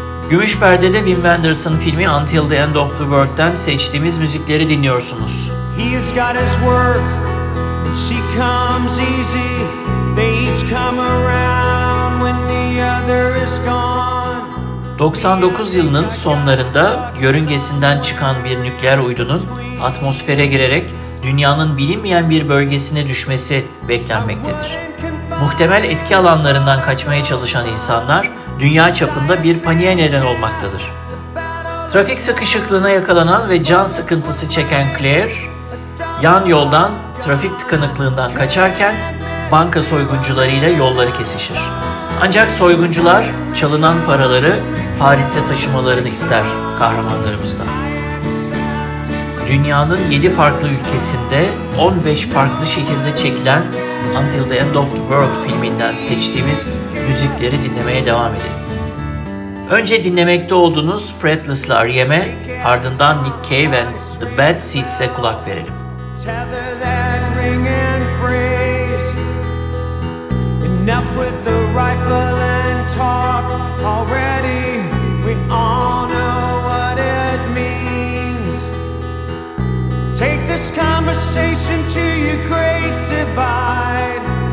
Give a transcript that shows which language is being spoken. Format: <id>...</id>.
<tr>Gümüş Perde'de Wim Wenders'ın filmi Until the End of the World'den seçtiğimiz müzikleri dinliyorsunuz.</tr> <en>He's got his work, she comes easy. They each come around when the other is gone.</en> <tr>99 yılının sonlarında yörüngesinden çıkan bir nükleer uydunun atmosfere girerek dünyanın bilinmeyen bir bölgesine düşmesi beklenmektedir. Muhtemel etki alanlarından kaçmaya çalışan insanlar dünya çapında bir paniğe neden olmaktadır. Trafik sıkışıklığına yakalanan ve can sıkıntısı çeken Claire, yan yoldan trafik tıkanıklığından kaçarken banka soyguncularıyla yolları kesişir. Ancak soyguncular çalınan paraları Paris'e taşımalarını ister kahramanlarımızdan. Dünyanın 7 farklı ülkesinde 15 farklı şekilde çekilen Until the End of the World filminden seçtiğimiz müzikleri dinlemeye devam edelim. Önce dinlemekte olduğunuz Fretless'la R.E.M.'e, ardından Nick Cave and The Bad Seeds'e kulak verelim.</tr> <en>Tether that ring and phrase. Enough with the rifle and talk already. We all know what it means. Take this conversation to your great divide.</en>